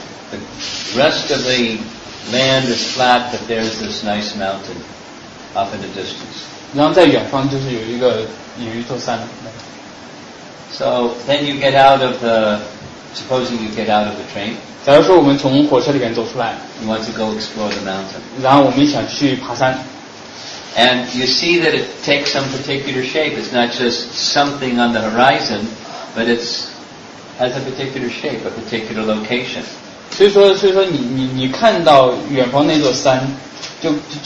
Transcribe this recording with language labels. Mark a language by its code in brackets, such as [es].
[en] The rest of the land is flat, but there's this nice mountain up in the distance. [zh] 然后在远方就是有一座山。 [en] So then you get out of the, supposing you get out of the train. [zh] 假如说我们从火车里面走出来。 [en] You want to go explore the mountain. [zh] 然后我们想去爬山。 [en] And you see that it takes some particular shape. It's not just something on the horizon, but it's has a particular shape, a particular location. [zh] 所以说你看到远方那座山，就是。